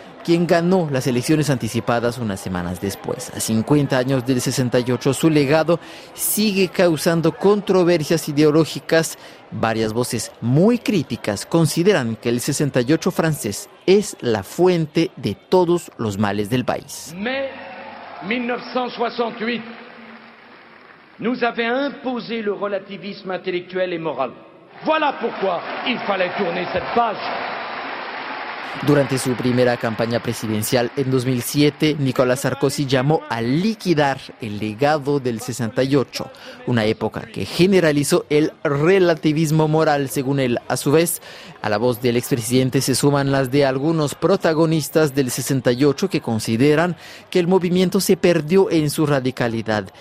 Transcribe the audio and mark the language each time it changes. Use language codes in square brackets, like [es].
[es] quien ganó las elecciones anticipadas unas semanas después. A 50 años del 68, su legado sigue causando controversias ideológicas. Varias voces muy críticas consideran que el 68 francés es la fuente de todos los males del país. [fr] Mais 1968, nous avons imposé le relativisme intellectuel et moral. Voilà pourquoi il fallait tourner cette page. [es] Durante su primera campaña presidencial en 2007, Nicolás Sarkozy llamó a liquidar el legado del 68, una época que generalizó el relativismo moral, según él. A su vez, a la voz del expresidente se suman las de algunos protagonistas del 68 que consideran que el movimiento se perdió en su radicalidad.